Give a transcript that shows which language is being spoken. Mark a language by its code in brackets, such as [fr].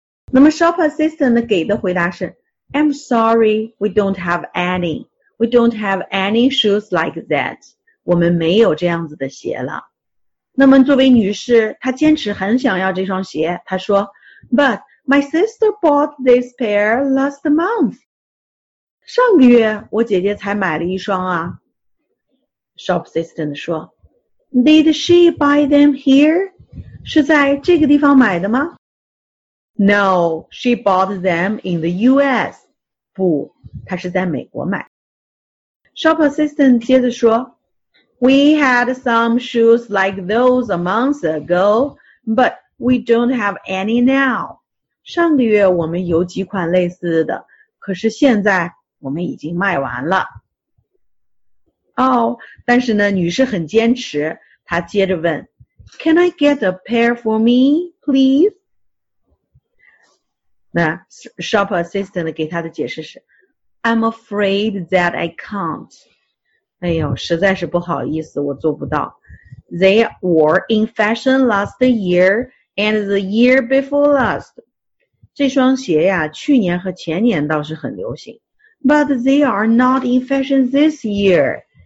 [zh] 那么 shop assistant 给的回答是 [en] I'm sorry, we don't have any. We don't have any shoes like that. [zh] 我们没有这样子的鞋了。那么作为女士，她坚持很想要这双鞋，她说 [en] But my sister bought this pair last month. [zh] 上个月我姐姐才买了一双啊。 [en] Shop assistant 说 Did she buy them here? [zh] 是在这个地方买的吗? [en] No, she bought them in the U.S. [zh] 不,她是在美国买。 [en] Shop assistant 接着说 We had some shoes like those a month ago, but we don't have any now. [zh] 上个月我们有几款类似的,可是现在我们已经卖完了。但是呢，女士很坚持，她接着问 [en] Can I get a pair for me, please? [zh] 那 shop assistant 给他的解释是 [en] I'm afraid that I can't. [zh] 哎呦，实在是不好意思，我做不到。 [en] They were in fashion last year and the year before last. [zh] 这双鞋呀，去年和前年倒是很流行。 [en] But they are not in fashion this year.